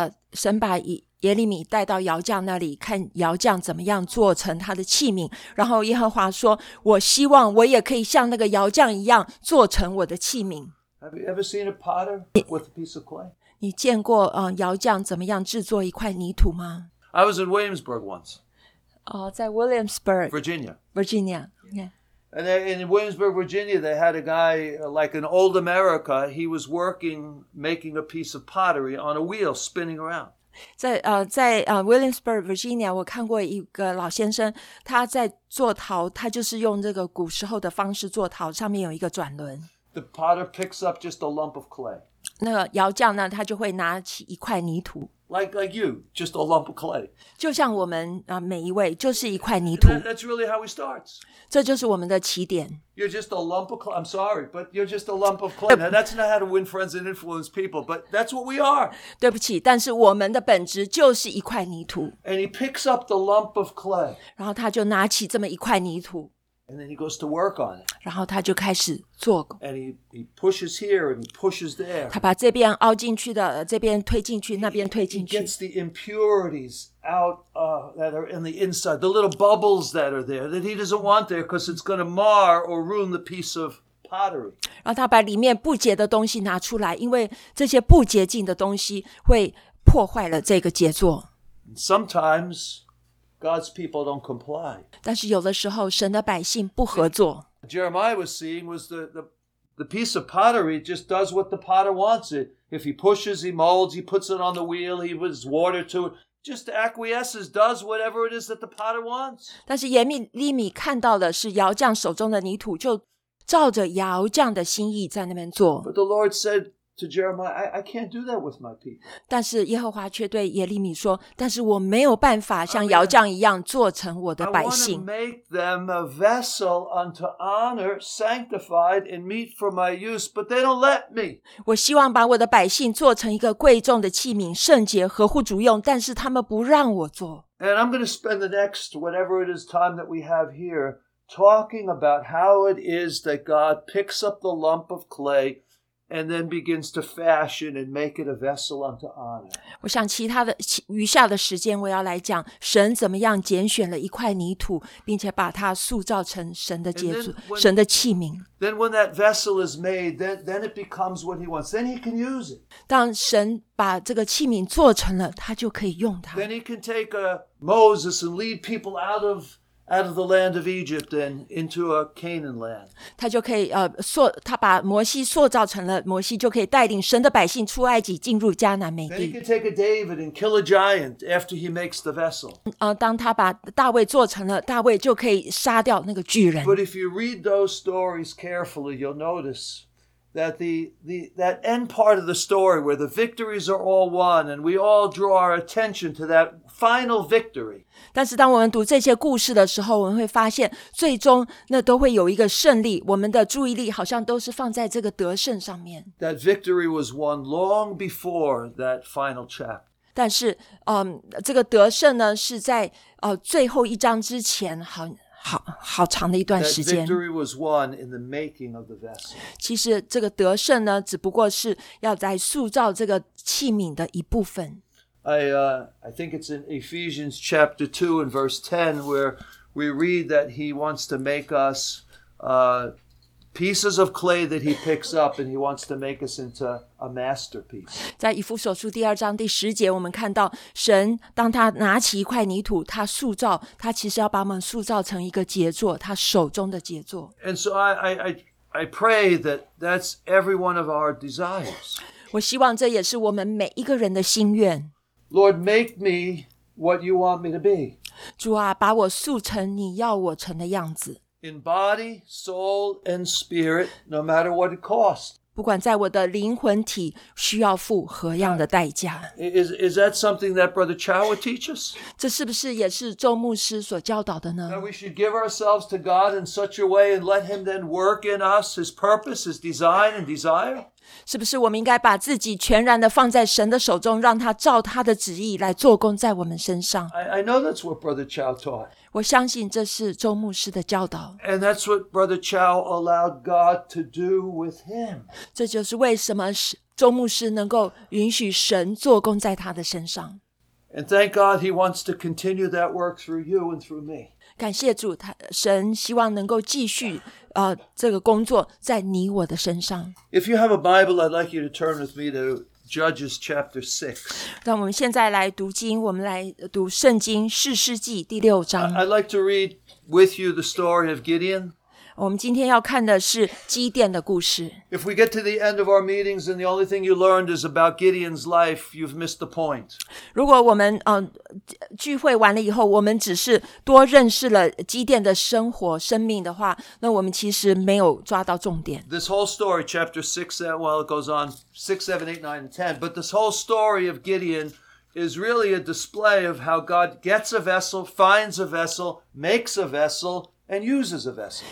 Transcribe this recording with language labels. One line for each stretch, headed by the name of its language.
Chinese: 神把耶利米带到窑匠那里，看窑匠怎么样做成他的器皿。然后耶和华说，我希望我也可以像那个窑匠一样做成我的器皿。
English: Have you ever seen a potter with a piece of clay?
Chinese: 你见过窑匠怎么样制作一块泥土吗？
English: I was in Williamsburg once.
Chinese: 在 Williamsburg.
English: Virginia. Virginia, yeah. And in Williamsburg, Virginia, they had a guy like an old America. He was working, making a piece of pottery on a wheel, spinning around.
Chinese: 在 Williamsburg, Virginia, 我看过一个老先生，他在做陶，他就是用这个古时候的方式做陶，上面有一个转轮。
English: The potter picks up just a lump of clay.
Chinese: 那个窑匠呢，他就会拿起一块泥土。
English: Like you, just a lump of clay.
Chinese: 就像我们每一位就是一块泥土。
English: That's really how it starts.
Chinese: 这就是我们的起点。
English: You're just a lump of clay. I'm sorry, but you're just a lump of clay. Now, that's not how to win friends and influence people, but that's what we are.
Chinese: 对不起，但是我们的本质就是一块泥土。
English: And he picks up the lump of clay.
Chinese: 然后他就拿起这么一块泥土。
English: And then he goes to work on it.
Chinese: 然后他就开始做。
English: And he pushes here and he pushes there.
Chinese: 他把这边凹进去的，这边推进去，那边推进去。
English: He gets the impurities out that are in the inside, the little bubbles that are there that he doesn't want there because it's going to mar or ruin the piece of pottery.
Chinese: 然后他把里面不洁的东西拿出来，因为这些不洁净的东西会破坏了这个杰作。
English: Sometimes. God's people don't comply.
Chinese: 但是有的时候神的百姓不合作。
English: Jeremiah was seeing was the piece of pottery just does what the potter wants it. If he pushes, he molds, he puts it on the wheel, he puts water to it. Just acquiesces, does whatever it is that the potter wants.
Chinese: 但是耶利米看到的是窑匠手中的泥土就照着窑匠的心意在那边做。
English: But the Lord said,To Jeremiah, I can't do that with my people.
Chinese: 但是耶和华却对耶利米说，但是我没有办法像窑匠一样做成我的百姓。
English: I want to make them a vessel unto honor, sanctified and meet for my use, but they don't let me.
Chinese: 我希望把我的百姓做成一个贵重的器皿，圣洁，合乎主用，但是他们不让我做。
English: And I'm going to spend the next whatever it is time that we have here talking about how it is that God picks up the lump of clay. And then begins to fashion and make it a vessel unto honor.
Chinese: 我想其他的余下的时间，我要来讲神怎么样拣选了一块泥土，并且把它塑造成神的杰作、神的器皿。
English: Then when that vessel is made, then it becomes what he wants. Then he can use it.
Chinese: 当神把这个器皿做成了，他就可以用它。
English: Then he can take a Moses and lead people out of the land of Egypt and into a Canaan land.
Chinese: 他就可以他把摩西塑造成了摩西，就可以带领神的百姓出埃及，进入迦南美地。
English: Then he can take a David and kill a giant after he makes the vessel.
Chinese: 当他把大卫做成了，大卫就可以杀掉那个巨人。
English: But if you read those stories carefully, you'll notice that that end part of the story where the victories are all won and we all draw our attention to that final victory.
Chinese: 但是当我们读这些故事的时候，我们会发现最终那都会有一个胜利，我们的注意力好像都是放在这个得胜上面。
English: That victory was won long before that final chapter.
Chinese: 但是这个得胜呢是在最后一章之前好长的一段时间。
English: That victory was won in the making of the vessel.
Chinese: 其实这个得胜呢只不过是要在塑造这个器皿的一部分。
English: I think it's in Ephesians chapter 2 and verse 10 where we read that he wants to make us pieces of clay that he picks up and he wants to make us into a masterpiece.
Chinese: 在以弗所书第二章第十节我们看到神当他拿起一块泥土他塑造他其实要把我们塑造成一个杰作他手中的杰作。
English: And so I pray that that's every one of our desires.
Chinese: 我希望这也是我们每一个人的心愿。
English: Lord, make me what you want me to be.
Chinese: 主啊，把我塑成你要我成的样子。
English: In body, soul, and spirit, no matter what it costs.
Chinese: 不管在我的灵魂体需要付何样的代价。
English: Is that something that Brother Chow would teach us?
Chinese: 这是不是也是周牧师所教导的呢？
English: That we should give ourselves to God in such a way and let him then work in us his purpose, his design and desire?
Chinese: 是不是我们应该把自己全然的放在神的手中让他照他的旨意来做工在我们身上。
English: I know that's what Brother Chow taught.
Chinese: 我相信这是周牧师的教导。
English: And that's what Brother Chow allowed God to do with him.
Chinese: 这就是为什么周牧师能够允许神做工在他的身上。
English: And thank God he wants to continue that work through you and through me.
Chinese: 感谢主他神希望能够继续这个工作在你我的身上。
English: If you have a Bible, I'd like you to turn with me to Judges chapter 6.
Chinese: 让我们现在来读经，我们来读圣经士师记第六章。
English: I'd like to read with you the story of Gideon.
Chinese: 我们今天要看的是基甸的故事。
English: If we get to the end of our meetings and the only thing you learned is about Gideon's life, you've missed the point.
Chinese: 如果我们聚会完了以后我们只是多认识了基甸的生活生命的话那我们其实没有抓到重点。
English: This whole story, chapter 6, well it goes on 6, 7, 8, 9, and 10, but this whole story of Gideon is really a display of how God gets a vessel, finds a vessel, makes a vessel,And uses a vessel.